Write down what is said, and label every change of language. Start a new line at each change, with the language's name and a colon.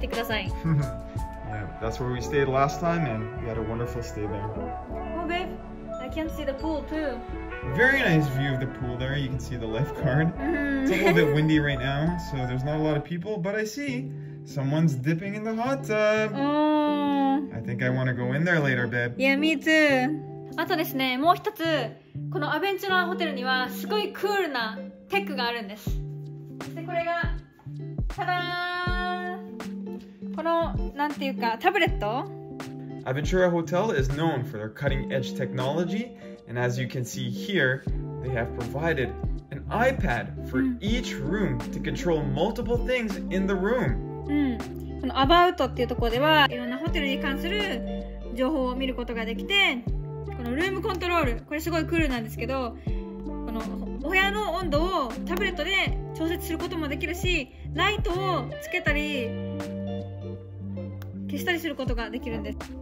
English: Yeah, that's where we stayed last time, and we had a wonderful stay there. I can see the pool too. Very nice view of the pool there. You can see the lifeguard. It's a little bit windy right now, so there's not a lot of people, but I see someone's dipping in the hot tub. I think I want to go in there later, babe. Yeah, me too.
Japanese: あとですね、もう一つ、このアベンチュラホテルにはすごいクールなテックがあるんです。で、これが、タダーン！この、なんていうか、タブレット？
English: Aventura Hotel is known for their cutting-edge technology, and as you can see here, they have provided an iPad for each room to control multiple things in the room.
Japanese: この About っていうところでは、いろんなホテルに関する情報を見ることができて、このルームコントロール、これすごいクールなんですけど、このお部屋の温度をタブレットで調節することもできるし、ライトをつけたり消したりすることができるんです。